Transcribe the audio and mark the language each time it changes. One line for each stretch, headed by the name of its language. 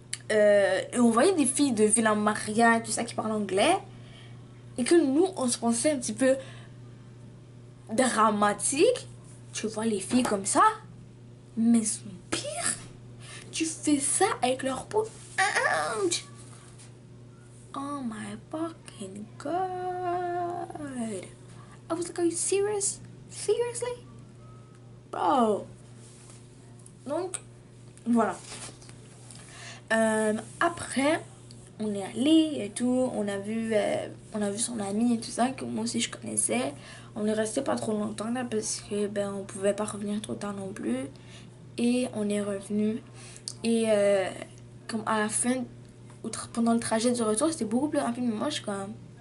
French: Et on voyait des filles de Villa Maria et tout ça qui parlent anglais. Et que nous, on se pensait un petit peu dramatique. Tu vois les filles comme ça? Mais elles sont pires. Tu fais ça avec leur peau. Ouch!
English: Oh my fucking god! I was like, are you serious? Seriously? Bro!
French: Donc, voilà. Après, on est allé et tout. On a vu son ami et tout ça, que moi aussi je connaissais. On est resté pas trop longtemps là parce que ben on pouvait pas revenir trop tard non plus. Et on est revenu. Et comme à la fin, pendant le trajet de retour, c'était beaucoup plus rapide. Mais moi, je suis quand même.